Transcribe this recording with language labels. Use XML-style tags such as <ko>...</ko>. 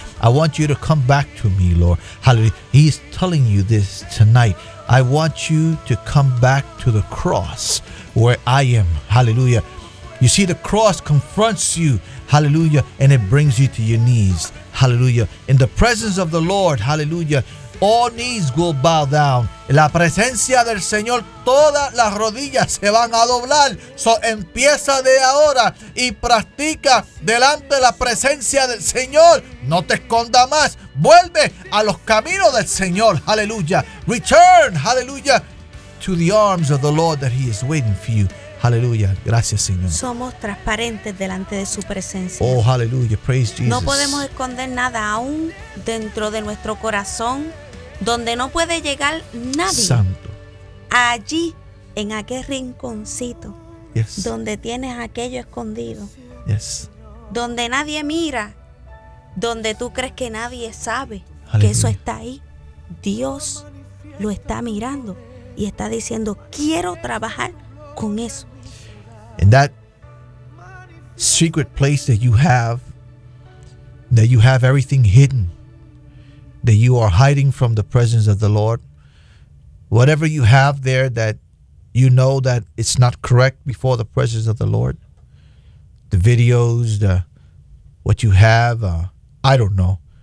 <en>I want you to come back to me, Lord. Hallelujah. He's telling you this tonight. I want you to come back to the cross where I am. Hallelujah. You see, the cross confronts you. Hallelujah. And it brings you to your knees. Hallelujah. In the presence of the Lord, hallelujah, all knees will bow down.</en> <es>En la presencia del Señor, todas las rodillas se van a doblar. So empieza de ahora y practica delante de la presencia del Señor. No te esconda más. Vuelve a los caminos del Señor. Hallelujah.</es> <en>Return, hallelujah, to the arms of the Lord that He is waiting for you.</en> <es>Hallelujah. Gracias, Señor. Somos transparentes delante de su presencia.</es> <en>Oh, hallelujah. Praise Jesus.</en> <es>No podemos esconder nada aún dentro de nuestro corazón, donde no puede llegar nadie. Santo. Allí, en aquel rinconcito.</es> <en>Yes.</en> <es>Donde tienes aquello escondido.</es> <en>Yes.</en> <es>Donde nadie mira. Donde tú crees que nadie sabe. Aleluya. Que eso está ahí. Dios lo está mirando y está diciendo, quiero trabajar con eso.</es> <en>In that secret place that you have everything hidden, that you are hiding from the presence of the Lord, whatever you have there that you know that it's not correct before the presence of the Lord, the videos, the what you have, I don't know.</en>